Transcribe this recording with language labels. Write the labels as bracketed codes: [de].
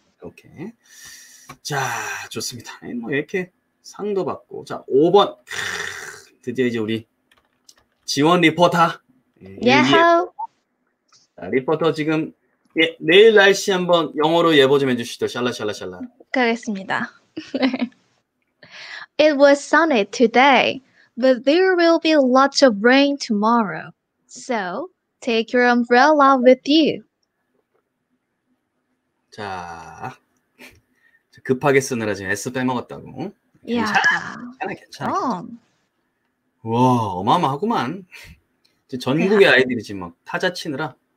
[ko] 이렇게. 자, 좋습니다. 뭐 이렇게 상도 받고, 자, 5번. 드디어 이제 우리 지원 리포터. 예, 하우. 자, 리포터 지금 예, 내일 날씨 한번 영어로 예보 좀 해주시죠. 샬라샬라샬라. 가겠습니다. [en] It was sunny today, but there will be lots of rain tomorrow. So, take your umbrella with you. [ko] 자, 급하게 쓰느라 지금 S 빼먹었다고. Yeah. 괜찮아. 와, 어마어마하구만. 전국의 yeah. 아이들이 지금 막 타자 치느라.